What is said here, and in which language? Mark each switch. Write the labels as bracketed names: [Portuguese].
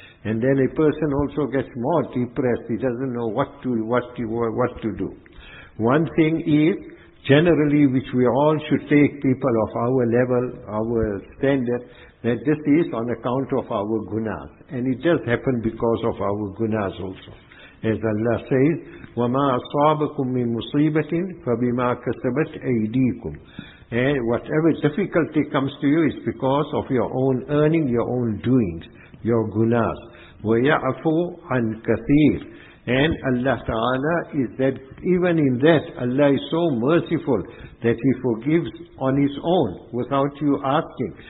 [English] And then a person also gets more depressed. He doesn't know what to do. One thing is, generally, which we all should take people of our level, our standard, that this is on account of our gunas. And it does happen because of our gunas also. [Arabic] As Allah says, وَمَا أَصَابَكُم مِّن مُصِيبَةٍ فَبِمَا كَسَبَتْ أَيْدِيكُمْ. [English] And whatever difficulty comes to you is because of your own earning, your own doings, your gunas. [Arabic] وَيَعْفُوا عَنْ كَثِيرٍ. [English] And Allah Ta'ala is that, even in that, Allah is so merciful that He forgives on His own, without you asking.